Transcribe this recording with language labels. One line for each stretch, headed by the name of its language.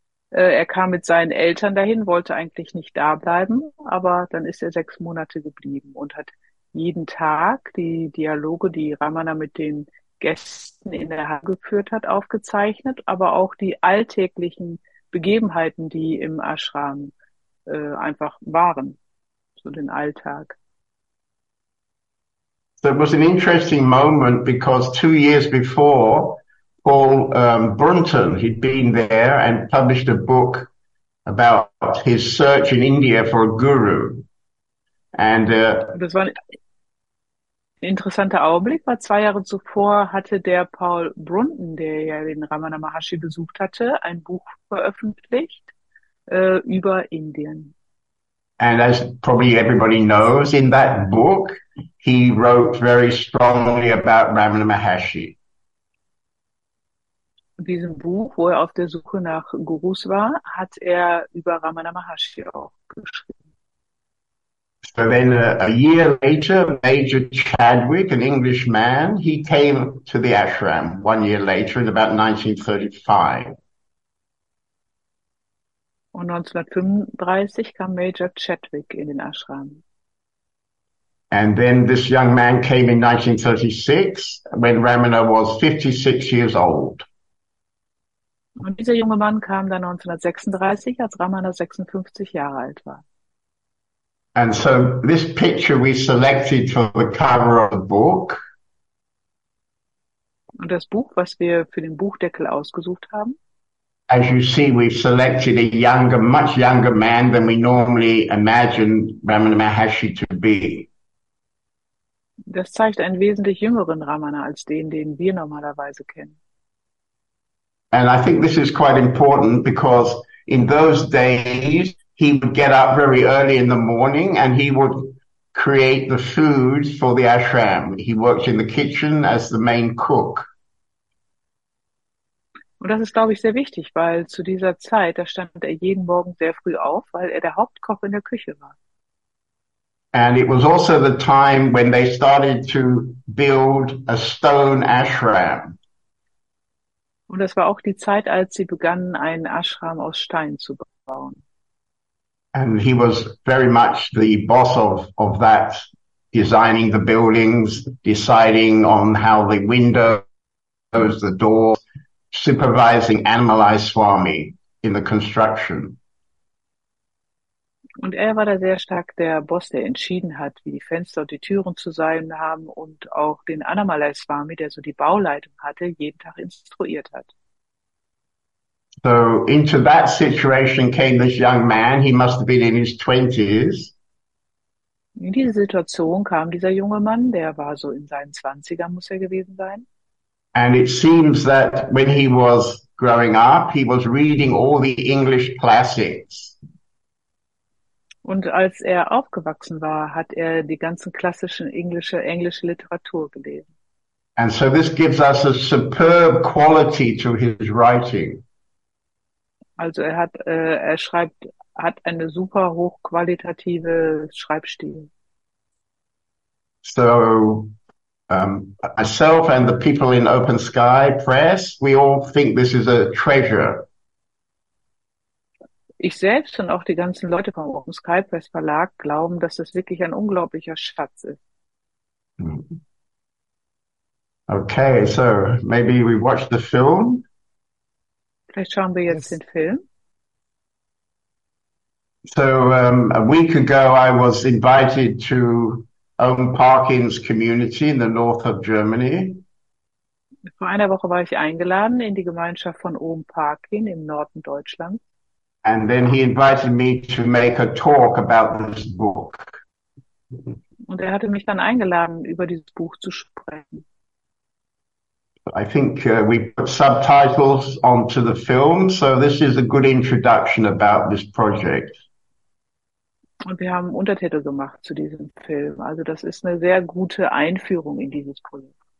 German: Er kam mit seinen Eltern dahin, wollte eigentlich nicht da bleiben, aber dann ist er 6 Monate geblieben und hat jeden Tag die Dialoge, die Ramana mit den Gästen in der Halle geführt hat, aufgezeichnet, aber auch die alltäglichen Begebenheiten, die im Ashram einfach waren, so den Alltag.
English: So it was an interesting moment because 2 years before, Paul Brunton, he'd been there and published a book about his search in India for a guru. And
German: Das war ein interessanter Augenblick, weil 2 Jahre zuvor hatte der Paul Brunton, der ja den Ramana Maharshi besucht hatte, ein Buch veröffentlicht, über Indien.
English: as probably everybody knows, in that book, he wrote very strongly about Ramana Maharshi.
German: In diesem Buch, wo er auf der Suche nach Gurus war, hat er über Ramana Maharshi auch geschrieben.
English: So then a year later, Major Chadwick, an English man, he came to the ashram 1 year later in about 1935.
German: Und 1935 kam Major Chadwick in den Ashram.
English: And then this young man came in 1936 when Ramana was 56 years old.
German: Und dieser junge Mann kam dann 1936, als Ramana 56 Jahre alt war.
English: And so this picture we selected for the cover of the book.
German: Und das Buch, was wir für den Buchdeckel ausgesucht haben,
English: As you see, we've selected a younger, much younger man than we normally imagine Ramana Maharshi to be.
German: das zeigt einen wesentlich jüngeren Ramana als den, den wir normalerweise kennen.
English: And I think this is quite important because in those days he would get up very early in the morning and he would create the food for the ashram. He worked in the kitchen as the main cook.
German: Und das ist, glaube ich, sehr wichtig, weil zu dieser Zeit, da stand er jeden Morgen sehr früh auf, weil er der Hauptkoch in der Küche war.
English: And it was also the time when they started to build a stone ashram.
German: Und das war auch die Zeit, als sie begannen, einen Ashram aus Stein zu bauen.
English: And he was very much the boss of that, designing the buildings, deciding on how the windows, the doors, supervising Annamalai Swami in the construction.
German: Und er war da sehr stark der Boss, der entschieden hat, wie die Fenster und die Türen zu sein haben und auch den Annamalai Swami, der so die Bauleitung hatte, jeden Tag instruiert hat.
English: So into that situation came this young man. He must have been in his 20s.
German: In diese Situation kam dieser junge Mann, der war so in seinen 20ern, muss er gewesen sein.
English: And it seems that when he was growing up, he was reading all the English classics.
German: Und als er aufgewachsen war, hat er die ganzen klassischen englische Literatur gelesen.
English: And so this gives us a superb quality to his writing.
German: Also er schreibt, hat eine super hochqualitative Schreibstil.
English: So, myself and the people in Open Sky Press, we all think this is a treasure.
German: Ich selbst und auch die ganzen Leute vom Open Sky Press Verlag glauben, dass das wirklich ein unglaublicher Schatz ist.
English: Okay, so maybe we watch the film.
German: Vielleicht schauen wir jetzt
English: Yes.
German: den Film.
English: So, a week ago I was invited to Own Parkins Community in the north of Germany.
German: Vor einer Woche war ich eingeladen in die Gemeinschaft von Oom Parkin im Norden Deutschlands.
English: And then he invited me to make a talk about this book.
German: Und er hatte mich dann eingeladen, über dieses Buch zu sprechen.
English: I think we put subtitles onto the film, so this is a good introduction about this project.
German: Und wir haben Untertitel gemacht zu diesem Film. Also das ist eine sehr gute Einführung in dieses Projekt.